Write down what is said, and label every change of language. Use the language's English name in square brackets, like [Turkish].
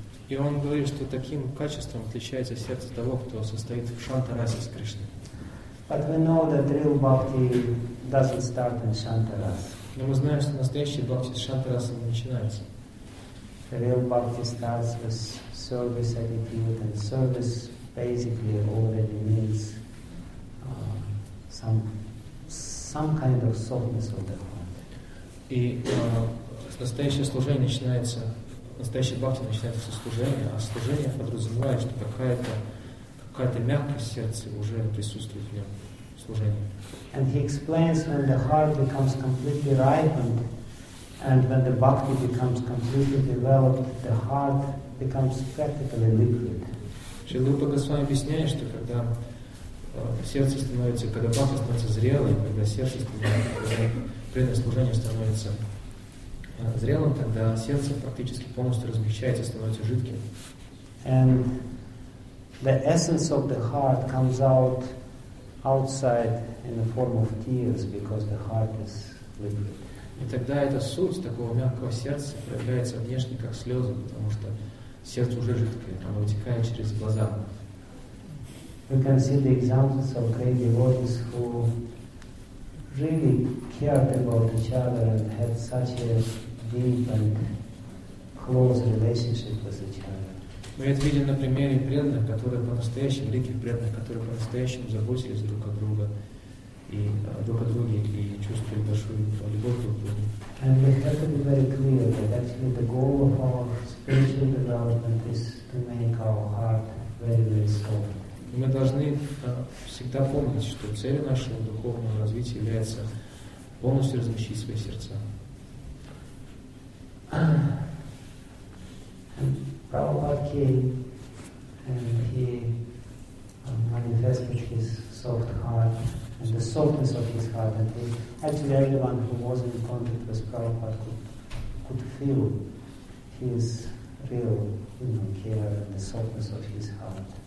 [Russian] И он говорит, что таким качеством отличается сердце того, кто состоит в Шантарасе с Кришной. [English] But we know that real bhakti doesn't start in Shantaras. [Russian] Но мы знаем, что настоящий бхакти с Шантараса не начинается. [English] Real bhakti starts with service attitude, and service basically already means some kind of softness of the heart. [Russian] И настоящее служение начинается. Настоящий бхакти начинается со служения, а служение подразумевает, что какая-то мягкость сердца уже присутствует в нем, в служении. [English] And he explains when the heart becomes completely ripened and when the bhakti becomes completely developed, the heart becomes practically liquid. [Russian] Шрила Рупа Госвами объясняет, что когда сердце становится, когда бхакти становится зрелым, когда сердце становится, когда преданное служение становится зрелым, тогда сердце практически полностью размягчается, становится жидким. [English] And the essence of the heart comes out outside in the form of tears, because the heart is liquid. [Russian] И тогда этот суд такого мягкого сердца проявляется внешне, как слезы, потому что сердце уже жидкое, оно утекает через глаза. [English] We can see the examples of great devotees who really cared about each other and had such a deep and close relationship with each other. [Russian] Мы это видим на примере преданных, которые по-настоящему, великих преданных, которые по-настоящему заботились друг о друга и друг о друге и чувствовали большую любовь друг к другу. [English] And we have to be very clear that actually the goal of our spiritual development is to make our heart very, very soft. [Russian] И мы должны всегда помнить, что целью нашего духовного развития является полностью размягчить свои сердца. [English] Prabhupada came and he manifested his soft heart and the softness of his heart. And he, actually, everyone who was in contact with Prabhupada could feel his real, you know, care and the softness of his heart.